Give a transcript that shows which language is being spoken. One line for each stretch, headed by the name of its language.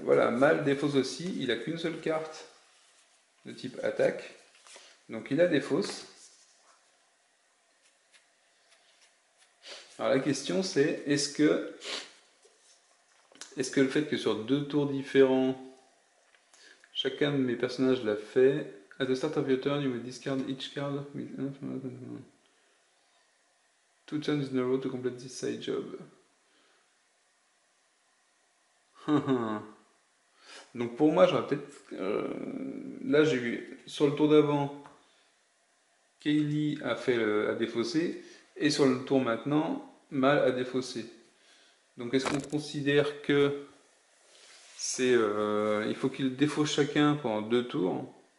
French: Voilà, Mal défausse aussi, il a qu'une seule carte de type attaque. Donc il a défausse. Alors la question c'est, est-ce que le fait que sur deux tours différents, chacun de mes personnages l'a fait...
English: At the start of your turn, you will discard each card with... Two turns in a row to complete this side job.
French: Donc pour moi j'aurais peut-être là j'ai eu sur le tour d'avant Kaylee a défaussé et sur le tour maintenant Mal a défaussé. Donc est-ce qu'on considère que c'est il faut qu'il défausse chacun pendant deux tours?